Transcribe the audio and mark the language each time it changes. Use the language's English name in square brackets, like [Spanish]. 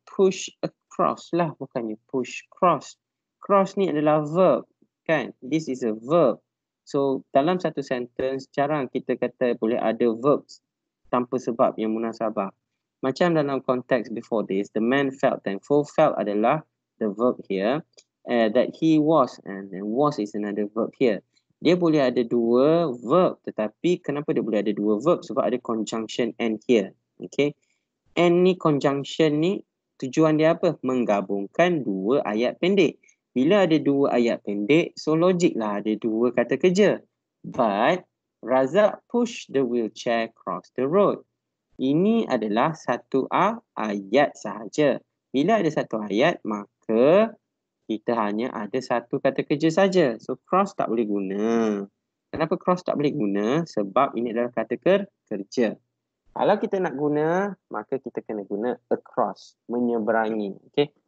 [English] Push across lah. [Malay] Bukannya [English] push cross. [Malay] Cross ni adalah verb, kan? [English] This is a verb. [Malay] So, dalam satu sentence, jarang kita kata boleh ada verbs tanpa sebab yang munasabah. Macam dalam konteks [English] before this, the man felt thankful. Felt adalah the verb here. That he was, and then was is another verb here. [Malay] Dia boleh ada dua verb, tetapi kenapa dia boleh ada dua verb? Sebab ada conjunction [English] and here. [Malay] Okay? And ni conjunction ni, tujuan dia apa? Menggabungkan dua ayat pendek. Bila ada dua ayat pendek, so logik lah ada dua kata kerja. [English] But, Razak push the wheelchair across the road. [Malay] Ini adalah satu ayat sahaja. Bila ada satu ayat, maka kita hanya ada satu kata kerja saja. So, cross tak boleh guna. Kenapa cross tak boleh guna? Sebab ini adalah kata kerja. Kalau kita nak guna, maka kita kena guna across. Menyeberangi. Okay?